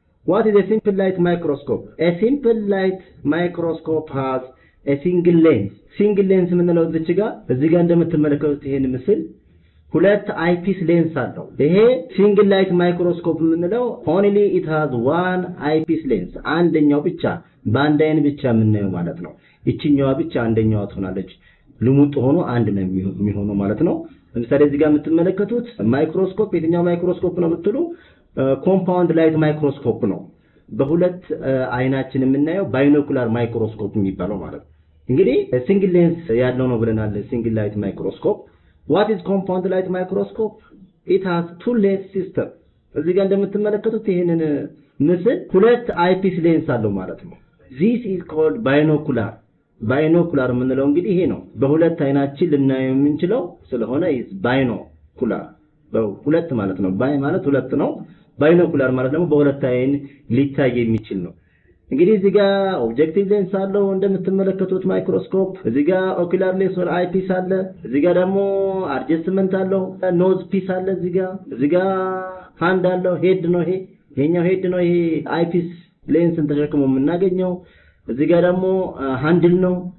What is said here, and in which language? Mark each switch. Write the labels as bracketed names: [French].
[English] what is a simple light microscope? a simple light microscope has a single lens. [Amharic] single lens ምንለው እዚህ ጋር እንደምትመለከቱት ይሄን ምስል ሁለት አይፒስ ሌንስ አለው። ይሄ single light microscope ምንለው [English] only it has one eyepiece lens [Amharic] አንደኛው ብቻ በአንድ አይን ብቻ የምናየው ማለት ነው። እቺኛው ብቻ አንደኛው ትሆናለች፣ ልሙጥ ሆኖ አንድ ነው የሚሆነው ማለት ነው። ለምሳሌ እዚህ ጋር የምትመለከቱት ማይክሮስኮፕ የትኛው ማይክሮስኮፕ ነው የምትሉ ኮምፓውንድ ላይት ማይክሮስኮፕ ነው። በሁለት አይናችን የምናየው ባይኖኩላር ማይክሮስኮፕ የሚባለው ማለት ነው። እንግዲህ ሲንግል ሌንስ ያለው ነው ብለናል ሲንግል ላይት ማይክሮስኮፕ። [English] What is compound light microscope? It has two lens systems. [Amharic] እዚህ ጋር እንደምትመለከቱት ይሄንን ምስል ሁለት አይፒስ ሌንስ አለው ማለት ነው። [English] This is called binocular. [Amharic] ባይኖኩላር የምንለው እንግዲህ ይሄ ነው። በሁለት አይናችን ልናየው የምንችለው ስለሆነ [English] is binocular. [Amharic] በሁለት ማለት ነው። ባይ ማለት ሁለት ነው። ባይኖኩላር ማለት ደግሞ በሁለት አይን ሊታይ የሚችል ነው። እንግዲህ እዚህ ጋር ኦብጀክቲቭ ሌንስ አለው እንደምትመለከቱት ማይክሮስኮፕ። እዚህ ጋር ኦኩላር ሌንስ ወይ አይፒስ አለ። እዚህ ጋር ደግሞ አድጀስትመንት አለው። ኖዝ ፒስ አለ እዚህ ጋር። እዚህ ጋር ሃንድ አለው። ሄድ ነው ይሄ። የኛው ሄድ ነው ይሄ አይፒስ ሌንስን ተሸክሞ የምናገኘው። እዚህ ጋር ደግሞ ሃንድል ነው።